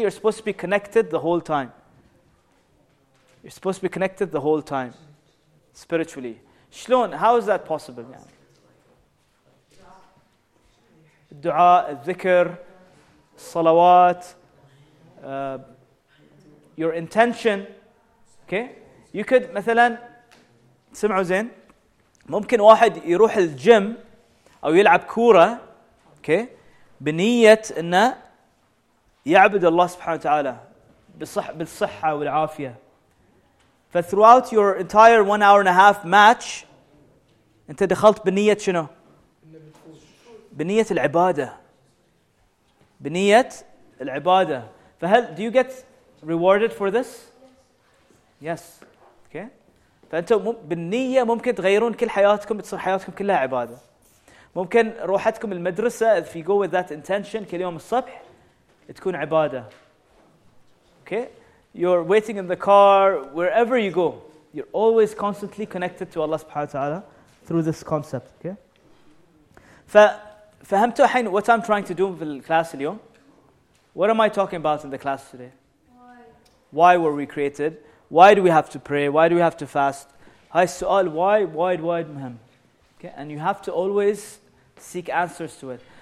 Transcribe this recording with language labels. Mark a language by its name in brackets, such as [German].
[English] You're supposed to be connected the whole time. You're supposed to be connected the whole time, spiritually. [Arabic] شلون? [English] How is that possible? Yeah. [Arabic] الدعاء الذكر الصلوات [English] your intention. Okay, you could, [Arabic] مثلا, سمعوا زين. ممكن واحد يروح الجيم أو يلعب كورة. [English] Okay, [Arabic] بنية إنه يعبد الله سبحانه وتعالى بالصحة والعافية. ف [English] throughout your entire 1.5 hour match, [Arabic] أنت دخلت بنية شنو؟ بنية العبادة. بنية العبادة. [English] فهل do you get rewarded for this? Yes. Okay. [Arabic] فأنت بالنية ممكن تغيرون كل حياتكم, تصير حياتكم كلها عبادة. ممكن روحتكم المدرسة [English] if you go with that intention [Arabic] كل يوم الصبح تكون عبادة. [English] Okay. You're waiting in the car wherever you go. You're always constantly connected to Allah سبحانه وتعالى through this concept. Okay. [Arabic] ففهمتوا الحين [English] what I'm trying to do [Arabic] في الكلاس اليوم. [English] What am I talking about in the class today? Why were we created? Why do we have to pray? Why do we have to fast? Hi, سؤال why مهم. Okay, and you have to always seek answers to it.